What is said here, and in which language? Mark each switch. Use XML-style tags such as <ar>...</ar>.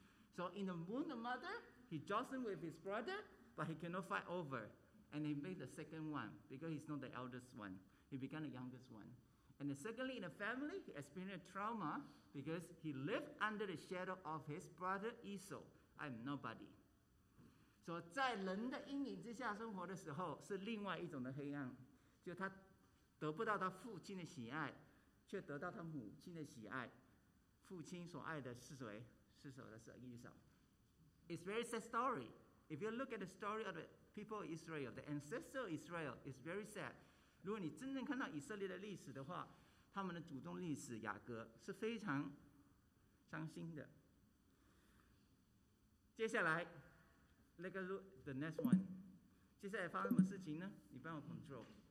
<en>So in the womb of mother, he jostled with his brother, but he cannot fight over, and he made the second one because he's not the eldest one. He became the youngest one. And secondly, in the family, he experienced trauma because he lived under the shadow of his brother Esau. I'm nobody.</en> <zh>So, 在人的阴影之下生活的时候，是另外一种的黑暗。就他得不到他父亲的喜爱，却得到他母亲的喜爱。父亲所爱的是谁？是谁的是Esau。</zh> <en>It's very sad story. If you look at the story of the people of Israel, the ancestor of Israel, it's very sad.</en> <zh>如果你真正看到以色列的历史的话，他们的祖宗历史雅各是非常伤心的。接下来</zh> <en>Look at the next one.</en> <zh>接下来发生什么事情呢? 你帮我 control.</zh>